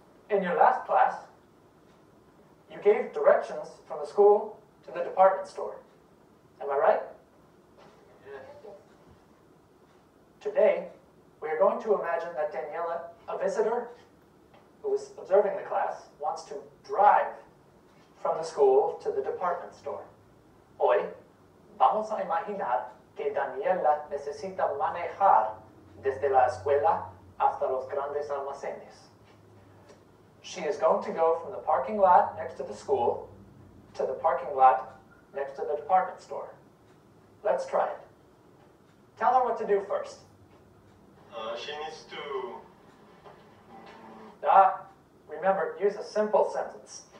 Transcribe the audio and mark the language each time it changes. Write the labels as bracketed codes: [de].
[en] In your last class, you gave directions from the school to the department store. Am I right? Yes. Today, we are going to imagine that Daniela, a visitor who is observing the class, wants to drive from the school to the department store. [es] Hoy, vamos a imaginar que Daniela necesita manejar desde la escuela hasta los grandes almacenes. [en] She is going to go from the parking lot next to the school to the parking lot next to the department store. Let's try it. Tell her what to do first. She needs to... Ah, remember, use a simple sentence.